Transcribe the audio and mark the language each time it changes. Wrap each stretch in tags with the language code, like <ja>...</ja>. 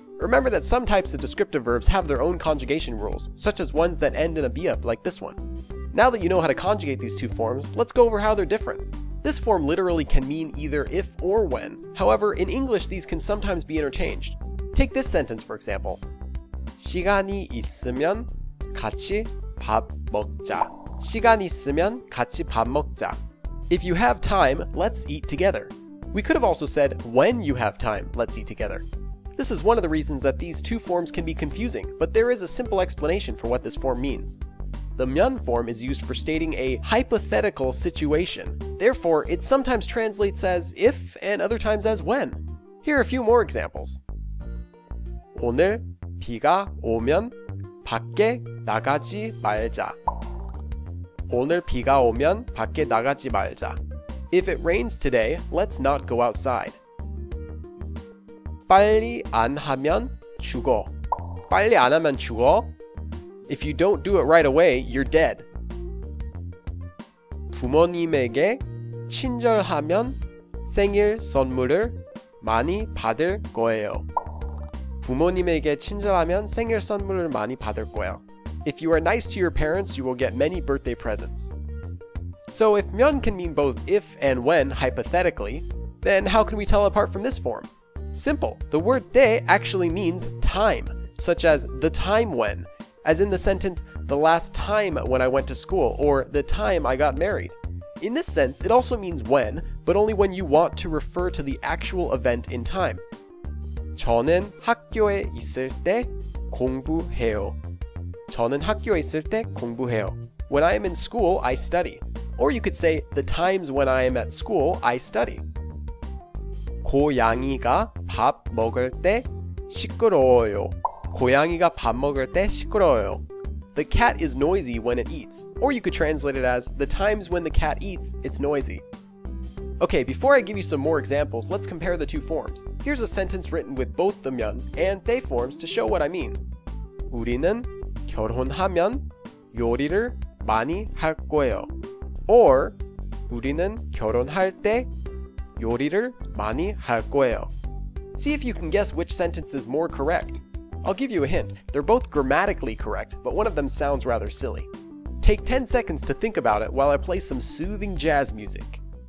<en>Remember that some types of descriptive verbs have their own conjugation rules, such as ones that end in a be-up, like this one. Now that you know how to conjugate these two forms, let's go over how they're different. This form literally can mean either if or when. However, in English, these can sometimes be interchanged. Take this sentence, for example.</en> <ko>시간이 있으면 같이 밥 먹자. 시간 있으면 같이 밥 먹자.</ko> <en>If you have time, let's eat together. We could have also said, when you have time, let's eat together. This is one of the reasons that these two forms can be confusing, but there is a simple explanation for what this form means. The myeon form is used for stating a hypothetical situation. Therefore, it sometimes translates as if and other times as when. Here are a few more examples.</en> <ko>오늘 비가 오면 밖에 나가지 말자. 오늘 비가 오면 밖에 나가지 말자.</ko> <en>If it rains today, let's not go outside.</en> <ko>빨리 안 하면 죽어. 빨리 안 하면 죽어.</ko> <en>If you don't do it right away, you're dead.</en> <ko>부모님에게 친절하면 생일 선물을 많이 받을 거예요. 부모님에게 친절하면 생일 선물을 많이 받을 거예요.</ko> <en>If you are nice to your parents, you will get many birthday presents. So if 면 can mean both if and when, hypothetically, then how can we tell apart from this form? Simple, the word 때 actually means time, such as the time when, as in the sentence, the last time when I went to school, or the time I got married. In this sense, it also means when, but only when you want to refer to the actual event in time.</en> <ko>저는 학교에 있을 때 공부해요. 저는 학교에 있을 때 공부해요.</ko> <en>When I am in school, I study. Or you could say, the times when I am at school, I study.</en> <ko>고양이가 밥 먹을 때 시끄러워요. 고양이가 밥 먹을 때 시끄러워요.</ko> <en>The cat is noisy when it eats. Or you could translate it as, the times when the cat eats, it's noisy. Okay, before I give you some more examples, let's compare the two forms. Here's a sentence written with both the 면 and 때 forms to show what I mean.</en> <ko>우리는 결혼하면 요리를 많이 할 거예요.</ko> <en>Or</en> <ko>우리는 결혼할 때 요리를 많이 할 거예요.</ko> <en>See if you can guess which sentence is more correct. I'll give you a hint. They're both grammatically correct, but one of them sounds rather silly. Take 10 seconds to think about it while I play some soothing jazz music.</en>